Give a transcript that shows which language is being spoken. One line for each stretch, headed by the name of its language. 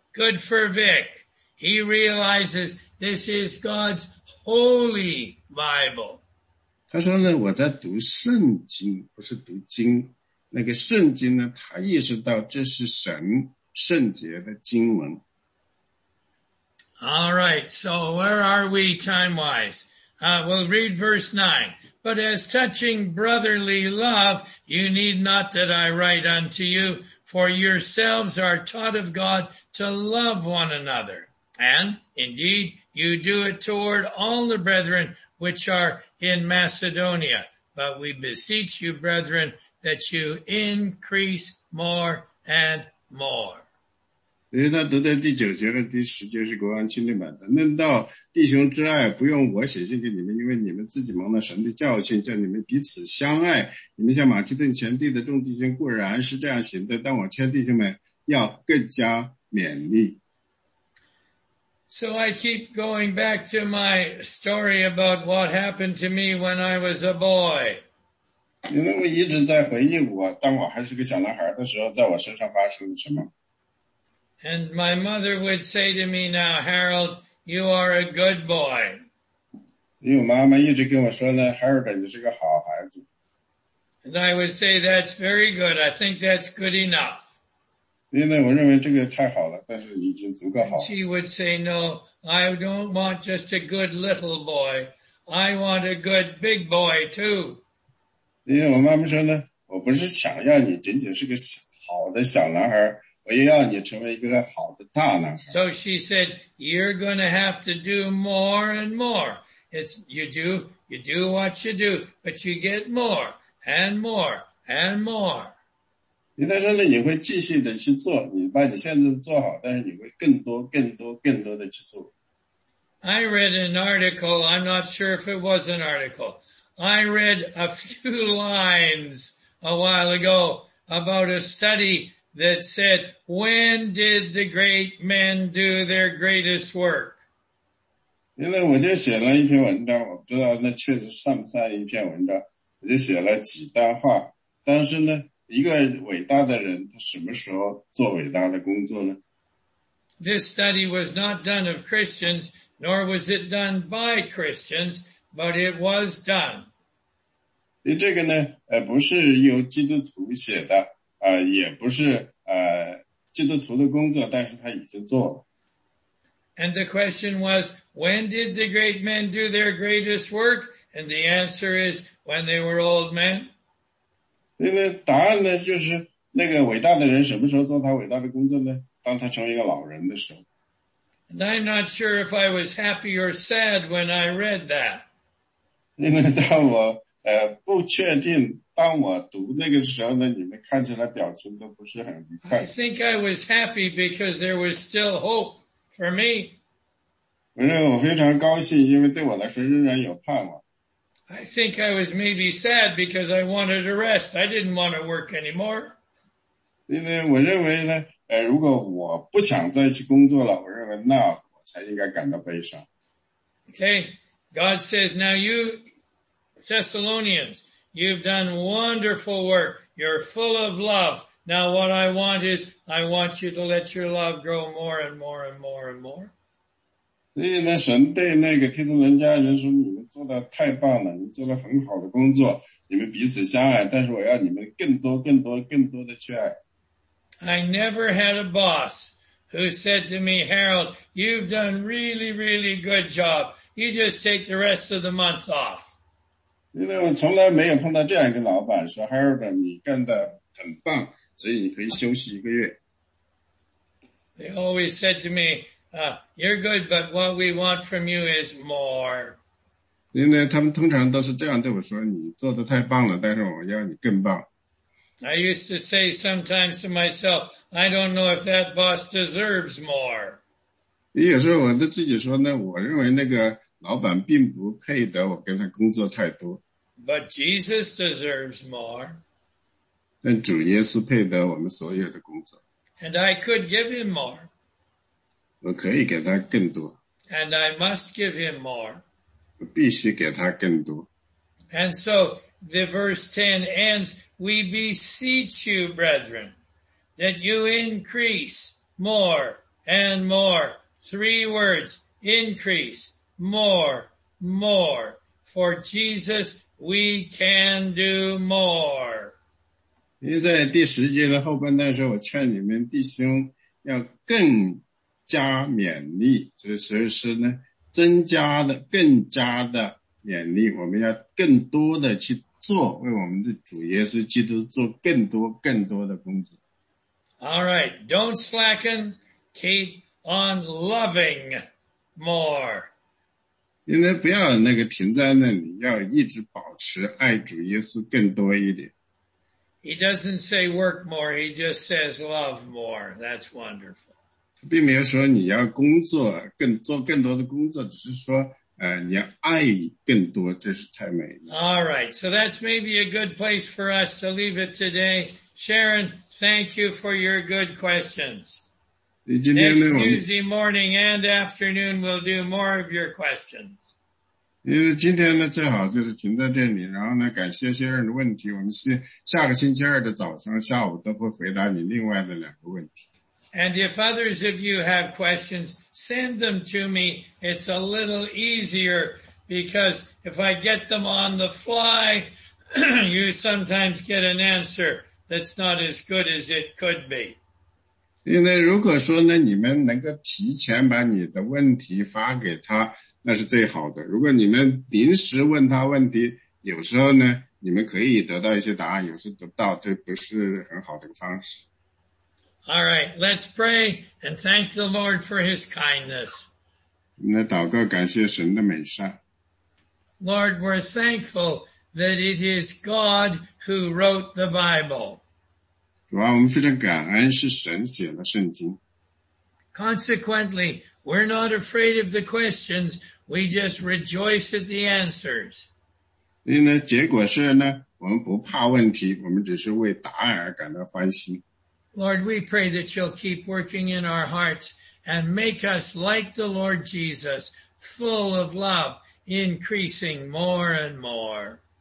English: Good for Vic. He realizes this is God's Holy Bible.
Chinese: 他说呢，我在读圣经，不是读经。那个圣经呢，他意识到这是神圣洁的经文。
English: All right, so where are we time-wise? We'll read verse 9. But as touching brotherly love, you need not that I write unto you, for yourselves are taught of God to love one another. And indeed, you do it toward all the brethren which are in Macedonia. But we beseech you, brethren, that you increase more and more.
Chinese: 因为他读的第九节和第十节是国王钦定版的，论到弟兄之爱，不用我写信给你们，因为你们自己蒙了神的教训，叫你们彼此相爱。你们像马其顿全地的众弟兄固然是这样行的，但我劝弟兄们要更加勉励。
English: So I keep going back to my story about what happened to me when I was a boy.
Chinese: 因为我一直在回忆我当我还是个小男孩的时候，在我身上发生了什么。
English: And my mother would say to me now, Harold, you are a good boy.
Chinese: 所以我妈妈一直跟我说呢， Harold, 你是个好孩子。
English: And I would say, that's very good. I think that's good enough.
Chinese: 因为我认为这个太好了，但是已经足够好。
English: And she would say, no, I don't want just a good little boy. I want a good big boy too.
Chinese: 因为我妈妈说呢，我不是想要你仅仅是个好的小男孩，我要让你成为一个好的大男孩。
English: So she said, you're going to have to do more and more. It's, you do what you do, but you get more and more and more.
Chinese: 因为她说呢，你会继续的去做，你把你现在做好，但是你会更多更多更多的去做。
English: I read an article, I'm not sure if it was an article. I read a few lines a while ago about a study that said, when did the great men do their greatest work?
Chinese: 因为我就写了一篇文章，我不知道那确实算不算一篇文章，我就写了几段话。但是呢，一个伟大的人，他什么时候做伟大的工作呢？
English: This study was not done of Christians, nor was it done by Christians, but it was done.
Chinese: 这个呢，不是由基督徒写的，也不是基督徒的工作，但是他已经做了。
English: And the question was, when did the great men do their greatest work? And the answer is, when they were old men.
Chinese: 那个答案呢，就是那个伟大的人什么时候做他伟大的工作呢？当他成为一个老人的时候。
English: And I'm not sure if I was happy or sad when I read that.
Chinese: 因为当我不确定，当我读那个时候呢，你们看起来表情都不是很愉快。
English: I think I was happy because there was still hope for me.
Chinese: 我认为我非常高兴，因为对我来说仍然有盼望。
English: I think I was maybe sad because I wanted to rest. I didn't want to work anymore.
Chinese: 因为我认为呢，如果我不想再去工作了，我认为那我才应该感到悲伤。
English: Okay, God says, now you Thessalonians, you've done wonderful work. You're full of love. Now what I want is, I want you to let your love grow more and more and more and more.
Chinese: 所以呢，神对那个提斯伦家人说，你们做得太棒了，你做了很好的工作，你们彼此相爱，但是我要你们更多更多更多的去爱。
English: I never had a boss who said to me, Harold, you've done really, really good job. You just take the rest of the month off.
Chinese: 因为我从来没有碰到这样一个老板说 Harold, 你干得很棒，所以你可以休息一个月。
English: They always said to me, you're good, but what we want from you is more.
Chinese: 因为他们通常都是这样对我说，你做得太棒了，但是我要你更棒。
English: I used to say sometimes to myself, I don't know if that boss deserves more.
Chinese: 有时候我都自己说呢，我认为那个老板并不配得我跟他工作太多。
English: But Jesus deserves more.
Chinese: 但主耶稣配得我们所有的工作。
English: And I could give him more.
Chinese: 我可以给他更多。
English: And I must give him more.
Chinese: 我必须给他更多。
English: And so, the verse 10 ends, we beseech you, brethren, that you increase more and more. Three words, increase more, more. For Jesus, we can do more.
Chinese: 因为在第十节的后半段时候，我劝你们弟兄要更加勉励，所以说是呢，增加的，更加的勉励，我们要更多的去做，为我们的主耶稣基督做更多更多的工作。
English: All right, don't slacken, keep on loving more.
Chinese: 因为不要那个停在那里，要一直保持爱主耶稣更多一点。
English: He doesn't say work more, he just says love more. That's wonderful.
Chinese: 并没有说你要工作，更做更多的工作，只是说你要爱更多，这是太美了。
English: All right, so that's maybe a good place for us to leave it today. Sharon, thank you for your good questions.
Chinese: 今天呢
English: Next Tuesday morning and afternoon, we'll do more of your questions.
Chinese: 因为今天呢，最好就是停在这里，然后呢，感谢 Sharon 的问题。我们下个星期二的早上、下午都会回答你另外的两个问题。
English: And if others of you have questions, send them to me. It's a little easier because if I get them on the fly, you sometimes get an answer that's not as good as it could be.
Chinese: 因为如果说呢，你们能够提前把你的问题发给他，那是最好的。如果你们临时问他问题，有时候呢，你们可以得到一些答案，有时得不到，这不是很好的方式。
English: All right, let's pray and thank the Lord for his kindness.
Chinese: 那祷告感谢神的美善。
English: Lord, we're thankful that it is God who wrote the Bible.
Chinese: 主啊，我们非常感恩是神写了圣经。
English: Consequently, we're not afraid of the questions, we just rejoice at the answers.
Chinese: 因为结果是呢，我们不怕问题，我们只是为答案而感到欢喜。
English: Lord, we pray that you'll keep working in our hearts and make us like the Lord Jesus, full of love, increasing more and more.